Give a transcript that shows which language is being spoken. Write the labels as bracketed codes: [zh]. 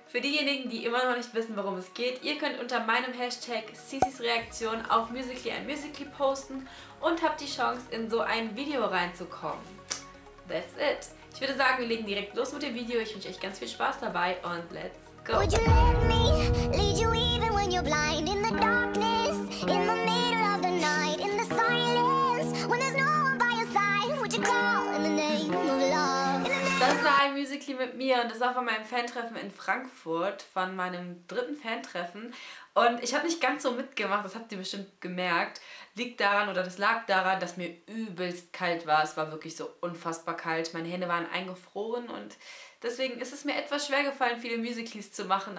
[de] Für diejenigen, die immer noch nicht wissen, worum es geht, ihr könnt unter meinem Hashtag Cici's Reaktion auf Musical.ly ein Musical.ly posten und habt die Chance, in so ein Video reinzukommen. [en] That's it. [de] Ich würde sagen, wir legen direkt los mit dem Video. Ich wünsche euch ganz viel Spaß dabei und [en] let's go! Would you let me lead you even when you're blind in the darkness, in the middle of the night, in the silence, when there's no one by your side, would you call in the name of love? [de] Das war ein Musical.ly mit mir und das war von meinem Fantreffen in Frankfurt, von meinem dritten Fantreffen. Und ich habe nicht ganz so mitgemacht, das habt ihr bestimmt gemerkt. Liegt daran oder das lag daran, dass mir übelst kalt war. Es war wirklich so unfassbar kalt. Meine Hände waren eingefroren und deswegen ist es mir etwas schwer gefallen, viele Musical.ly's zu machen.